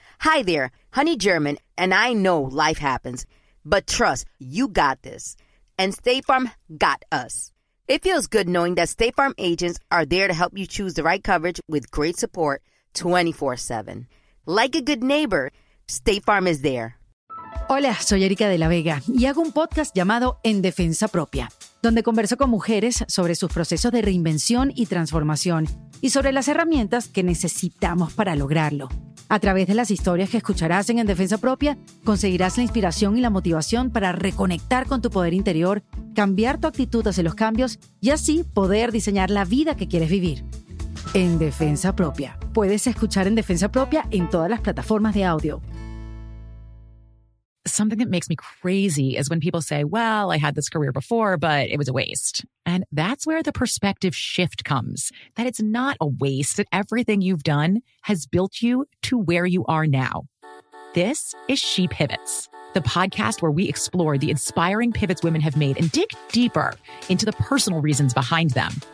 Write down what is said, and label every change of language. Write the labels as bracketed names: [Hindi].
[English] Hi there, Honey German, and I know life happens, but trust, you got this. And State Farm got us. It feels good knowing that State Farm agents are there to help you choose the right coverage with great support 24/7. Like a good neighbor, State Farm is there. [Spanish] Hola, soy Erika de la Vega y hago un podcast llamado En Defensa Propia, donde converso con mujeres sobre sus procesos de reinvención y transformación y sobre las herramientas que necesitamos para lograrlo. A través de las historias que escucharás en Defensa Propia, conseguirás la inspiración y la motivación para reconectar con tu poder interior, cambiar tu actitud hacia los cambios y así poder diseñar la vida que quieres vivir. En Defensa Propia. Puedes escuchar En Defensa Propia en todas las plataformas de audio. [English] Something that makes me crazy is when people say, well, I had this career before, but it was a waste. And that's where the perspective shift comes, that it's not a waste, that everything you've done has built you to where you are now. This is She Pivots, the podcast where we explore the inspiring pivots women have made and dig deeper into the personal reasons behind them.